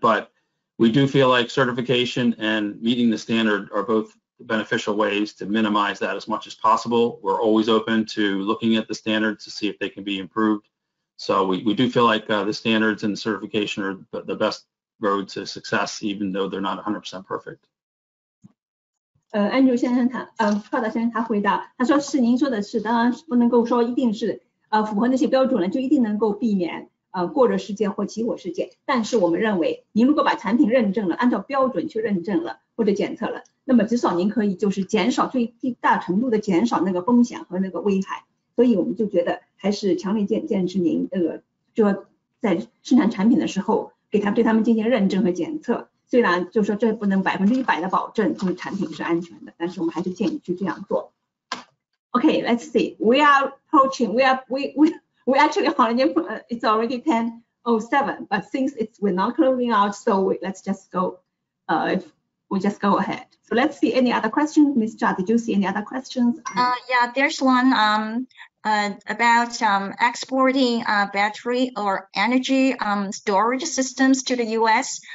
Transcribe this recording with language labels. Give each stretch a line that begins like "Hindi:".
English: But we do feel like certification and meeting the standard are both beneficial ways to minimize that as much as possible. We're always open to looking at the standards to see if they can be improved. So we do feel like the standards and the certification are the best road to success, even though they're not 100% perfect.
Chinese: Andrew 先生他Prada 先生他回答，他说是您说的是，当然不能够说一定是符合那些标准了就一定能够避免过热事件或起火事件，但是我们认为您如果把产品认证了，按照标准去认证了或者检测了，那么至少您可以就是减少最大程度的减少那个风险和那个危害，所以我们就觉得还是强烈建议您就在生产产品的时候给他对他们进行认证和检测，虽然就说这不能100%的保证就是产品是安全的，但是我们还是建议去这样做。
English: OK, let's see, it's already 10:07, but since we're not closing out, so let's just go ahead. So let's see any other questions. Ms. Zhao, did you see any other questions? Yeah, there's one about exporting battery or energy storage systems to the U.S.